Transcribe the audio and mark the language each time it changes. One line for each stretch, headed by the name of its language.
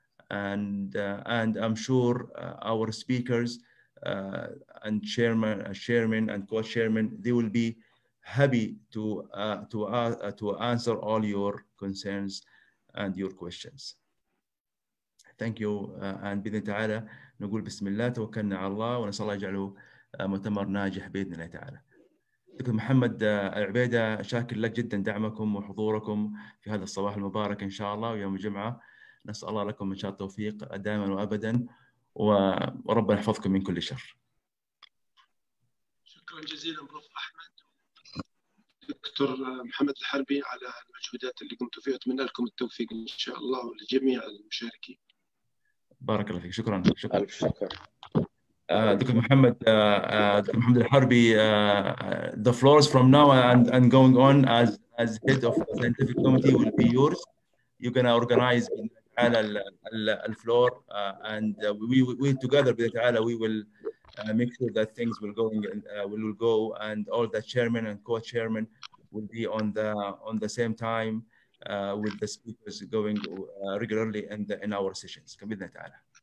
English: And I'm sure our speakers and chairman and co-chairman, they will be happy to answer all your concerns and your questions. Thank you. And
Arabic: بإذن تعالى نقول بسم الله توكلنا على الله ونسأل الله يجعله مؤتمر ناجح بإذن الله تعالى. دكتور محمد العبيدة، شاكر لك جدا دعمكم وحضوركم في هذا الصباح المبارك إن شاء الله ويوم الجمعة. نسأل الله لكم إن شاء الله التوفيق دائما وأبدا، وربنا يحفظكم من كل شر. شكرا جزيلا بروف أحمد دكتور محمد الحربي على المجهودات اللي قمتوا فيها، أتمنى لكم التوفيق إن شاء الله ولجميع المشاركين. بارك الله فيك. شكرا. شكرا. ألف شكر.
English: Doctor محمد، doctor محمد الحربي، the floor is from now and going on as head of the scientific committee will be yours. You're gonna organize
Arabic: على ال
English: floor and we together
Arabic: بإذن الله
English: we will make sure that things will going will go and all the chairman and co-chairman will be on the same time with the speakers going regularly in our sessions. بإذن الله.